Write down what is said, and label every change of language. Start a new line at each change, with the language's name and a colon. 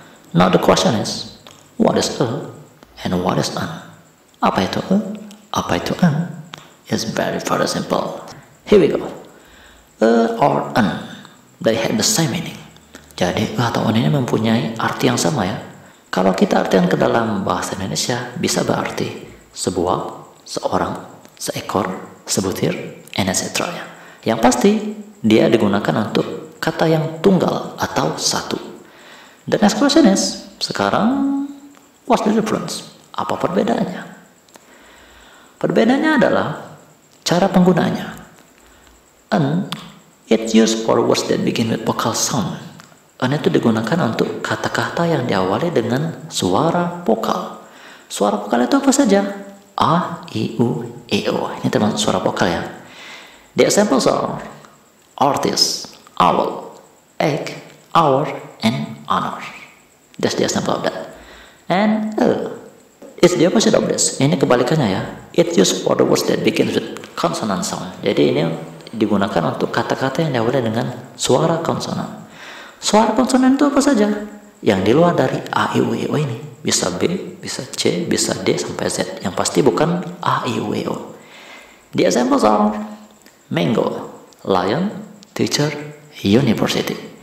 English: Now the question is, what is a and what is an?
Indonesian: Apa itu a? Apa itu an?
English: It's very simple. Here we go. A or an, they have the same meaning.
Indonesian: Jadi a atau an ini mempunyai arti yang sama ya. Kalau kita artikan ke dalam bahasa Indonesia, bisa berarti sebuah, seorang, seekor, sebutir, etc. Yang pasti, dia digunakan untuk kata yang tunggal atau satu.
English: The next question is,
Indonesian: sekarang,
English: what's the difference?
Indonesian: Apa perbedaannya? Perbedaannya adalah cara penggunaannya.
English: An, it's used for words that begin with vocal sound.
Indonesian: An itu digunakan untuk kata-kata yang diawali dengan suara vokal. Suara vokal itu apa saja? A, I, U, E, O. Ini termasuk suara vokal ya.
English: The examples are artist, owl, egg, hour, and honor. That's the example of that. And A, it's the opposite of this.
Indonesian: Ini kebalikannya ya.
English: It's used for the words that begin with consonant sound.
Indonesian: Jadi ini digunakan untuk kata-kata yang diawali dengan suara konsonan. Suara konsonan itu apa saja? Yang di luar dari A, I, U, E, O ini. Bisa B, bisa C, bisa D, sampai Z. Yang pasti bukan A, I, U, E, O.
English: The examples are mango, lion, teacher, university.